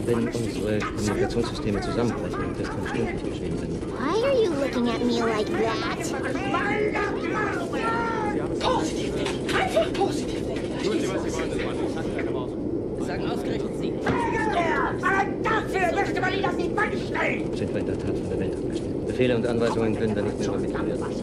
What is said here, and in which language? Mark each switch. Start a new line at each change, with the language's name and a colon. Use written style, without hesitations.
German: Wenn unsere Kommunikationssysteme zusammenbrechen, das kann stündlich geschehen sein.
English: Why are you looking at me like that?
German: Sind wir in der Tat von der Welt abgestellt. Befehle und Anweisungen können dann nicht mehr übermittelt werden.